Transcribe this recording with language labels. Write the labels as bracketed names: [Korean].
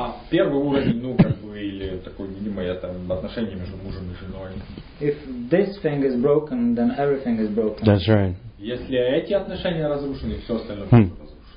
[Russian] Первый уровень, ну, как бы, или такое видимое там отношение между мужем и женой. [English] If this thing is broken, then everything is broken. That's right. [Russian] Если эти отношения разрушены, все остальное тоже разрушено.